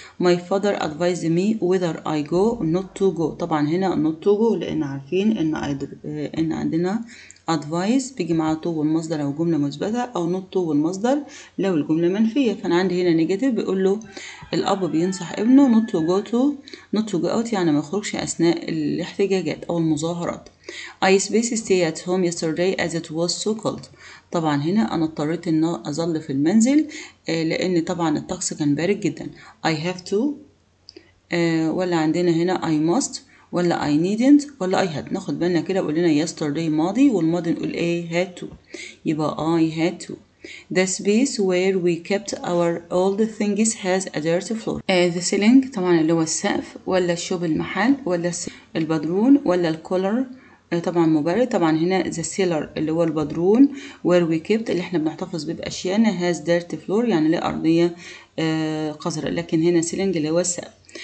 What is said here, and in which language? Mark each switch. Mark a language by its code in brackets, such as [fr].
[en] My father advised me whether I go not to go. [ar] طبعا هنا not to go، لان عارفين ان ان عندنا advise بيجي معاه to والمصدر لو جملة مثبتة، او not to والمصدر لو الجملة منفية. فانا عندي هنا negative، بيقول له الاب بينصح ابنه [en] not to go to، not to go out [ar] يعني ما يخرجش اثناء الاحتجاجات او المظاهرات. [en] I space stay at home yesterday as it was so cold. [ar] طبعا هنا انا اضطريت ان اظل في المنزل لان طبعا الطقس كان بارد جدا. [en] I have to، [ar] ولا عندنا هنا [en] I must، ولا I needn't، ولا I had. [ar] ناخد بالنا كده، قولنا yesterday ماضي والماضي نقول ايه had to، يبقى [en] I had to. The space where we kept our old things has a dirty floor. [ar] The ceiling طبعا اللي هو السقف، ولا الشوب المحل، ولا البدرون، ولا الكولر طبعا مبرد. طبعا هنا the cellar اللي هو البدرون، [en] where we kept [ar] اللي احنا بنحتفظ بيه بأشيائنا، [en] has dirty floor [ar] يعني ليه أرضية قذرة، لكن هنا ceiling اللي هو السقف.